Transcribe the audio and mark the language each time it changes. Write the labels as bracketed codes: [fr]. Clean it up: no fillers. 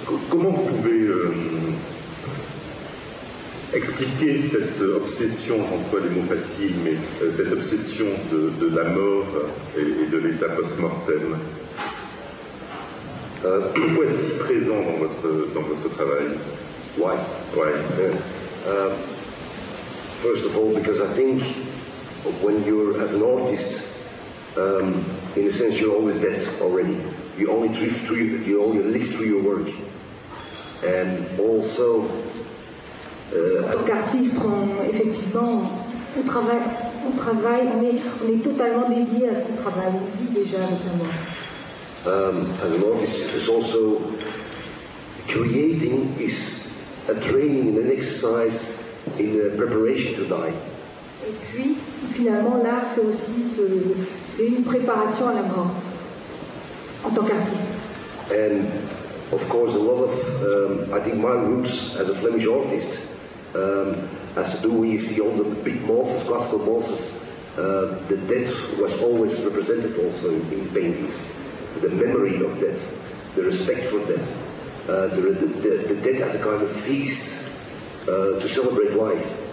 [fr] Comment vous pouvez expliquer cette obsession, j'emploie les mots faciles, mais cette obsession de la mort et de l'état post-mortem, pourquoi est si présent dans votre travail? [en] Why? Why? First of all, because I think when you're as an artist, in a sense, you're always dead already. You only live through your work. And also, [fr] parce qu'artiste, effectivement, on travaille, on est totalement dédié à son travail, on vit déjà avec la mort. [en] As an artist, it's also creating is a training and an exercise in the preparation to die. [fr] Et puis, finalement, l'art, c'est aussi c'est une préparation à la mort, en tant qu'artiste. [en] And of course, a lot of, I think my roots as a Flemish artist, as to do we see all the big monsters, classical monsters, the death was always represented also in paintings. The memory of death, the respect for death, the death as a kind of feast to celebrate life.